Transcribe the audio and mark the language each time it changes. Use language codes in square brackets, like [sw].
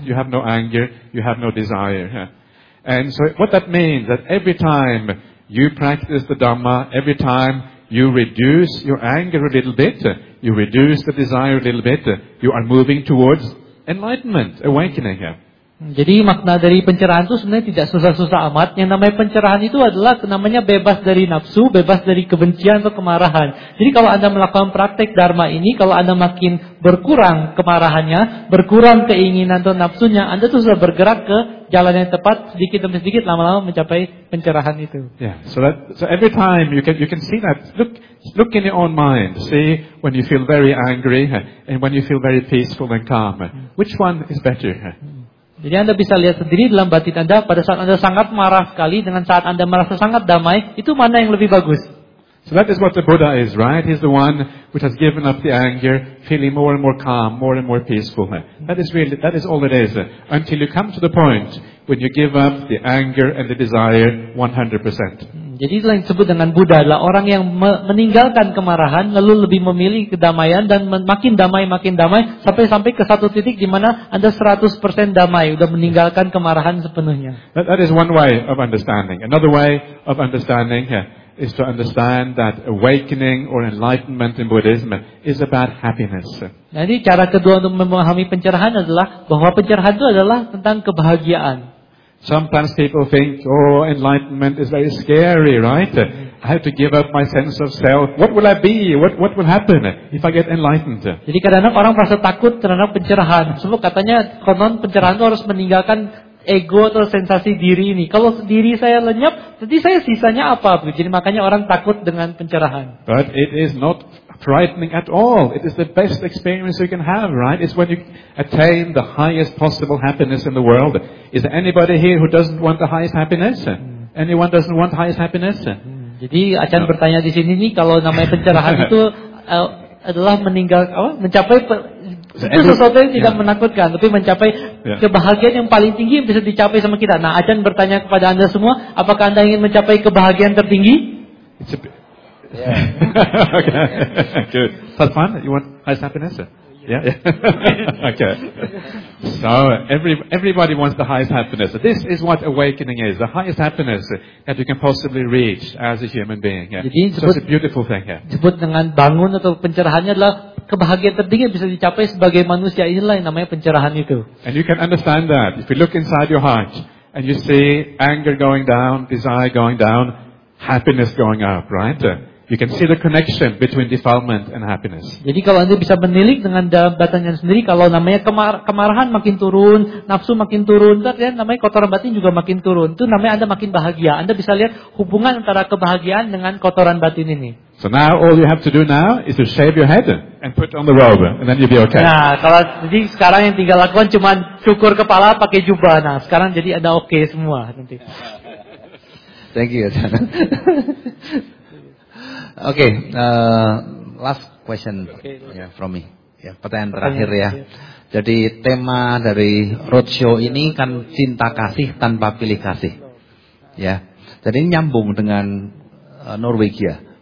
[en] You have no anger, you have no desire. And so what that means, that every time you practice the Dhamma, every time you reduce your anger a little bit, you reduce the desire a little bit, you are moving towards enlightenment, awakening. [id] Jadi makna dari pencerahan itu sebenarnya tidak susah-susah amat. Yang namanya pencerahan itu adalah namanya bebas dari nafsu, bebas dari kebencian atau kemarahan. Jadi kalau Anda melakukan praktek dharma ini, kalau Anda makin berkurang kemarahannya, berkurang keinginan atau nafsunya, Anda tuh sudah bergerak ke jalan yang tepat, sedikit demi sedikit lama-lama mencapai pencerahan itu. [en] Yeah, so every time you can see that. Look in your own mind. See when you feel very angry and when you feel very peaceful and calm. Which one is better? [id] Jadi Anda bisa lihat sendiri dalam batin Anda pada saat Anda sangat marah sekali dengan saat Anda merasa sangat damai, itu mana yang lebih bagus? [en] So that is what the Buddha is, right? He's the one which has given up the anger, feeling more and more calm, more and more peaceful. That is all it is. Until you come to the point when you give up the anger and the desire 100%. [id] Jadi itu yang disebut dengan Buddha adalah orang yang meninggalkan kemarahan, lalu lebih memilih kedamaian dan makin damai sampai ke satu titik di mana Anda 100% damai, sudah meninggalkan kemarahan sepenuhnya. [en] That is one way of understanding. Another way of understanding is to understand that awakening or enlightenment in Buddhism is about happiness. [id] Jadi cara kedua untuk memahami pencerahan adalah bahwa pencerahan itu adalah tentang kebahagiaan. [en] Sometimes people think, oh, enlightenment is very scary, right? I have to give up my sense of self. What will I be? What will happen if I get enlightened? [id] Jadi kadang-kadang orang merasa takut terhadap pencerahan. Semua katanya konon pencerahan itu harus meninggalkan ego atau sensasi diri ini. Kalau diri saya lenyap, jadi saya sisanya apa? Jadi makanya orang takut dengan pencerahan. [en] But it is not frightening at all. It is the best experience you can have, right? It's when you attain the highest possible happiness in the world. Is there anybody here who doesn't want the highest happiness? Anyone doesn't want highest happiness? [id] Jadi Achan no. Bertanya di sini nih, kalau namanya pencerahan itu adalah mencapai itu sesuatu yang tidak menakutkan, tapi mencapai kebahagiaan yang paling tinggi yang bisa dicapai sama kita. Nah, Achan bertanya kepada Anda semua, apakah Anda ingin mencapai kebahagiaan tertinggi? [en] Yeah. Okay. Good. That's fine. You want highest happiness? Yeah. Okay. So everybody wants the highest happiness. This is what awakening is. The highest happiness that you can possibly reach as a human being. Yeah. [id] Jadi, [en] so it's a beautiful thing. Yeah. [id] Disebut dengan bangun atau pencerahannya adalah kebahagiaan tertinggi yang bisa dicapai sebagai manusia. Inilah yang namanya pencerahan itu. [en] And you can understand that if you look inside your heart and you see anger going down, desire going down, happiness going up, right? You can see the connection between defilement and happiness. [id] Jadi kalau Anda bisa menilik dengan dalam batinnya sendiri, kalau namanya kemarahan makin turun, nafsu makin turun, dan namanya kotoran batin juga makin turun, itu namanya Anda makin bahagia. Anda bisa lihat hubungan antara kebahagiaan dengan kotoran batin ini. [en] So now all you have to do now is to shave your head and put on the robe, and then you'll be okay. [id] Nah, kalau jadi sekarang yang tinggal lakukan cuma cukur kepala pakai jubah. Nah, sekarang jadi Anda okay semua nanti. [en] Thank you. Okay, last question from me. [id] Yeah, pertanyaan terakhir ya. Jadi tema dari roadshow ini kan cinta kasih tanpa pilih kasih. Ya, jadi nyambung dengan Norwegia.